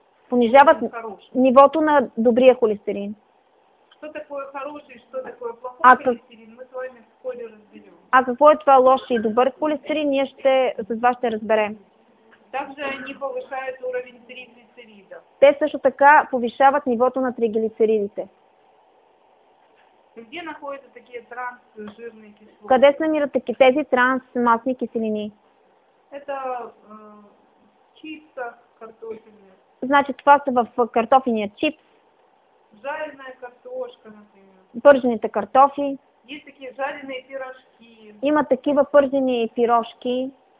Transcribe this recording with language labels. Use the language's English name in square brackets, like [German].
[Bulgarian] Понижават нивото на добрия холестерин. [Russian] Что такое хороший, что такое плохой холестерин, мы с вами в школе разберем. [Bulgarian] А какво е това лош и добър холестерин, ние ще с вас ще разберем. [Russian] Также они повышают уровень триглицерида. [Bulgarian] Те също така повишават нивото на триглицеридите. [Russian] Где находятся такие трансжирные кислоты? [Bulgarian] Къде се намират тези трансмасни киселини? [Russian] Это чипса картофельные. [Bulgarian] Значи това са в картофения чипс. [Russian] Жареная картошка, например. [Bulgarian] Пържените картофи. [Russian] Есть такие жареные пирожки. [Bulgarian] Има такива пържени пирожки.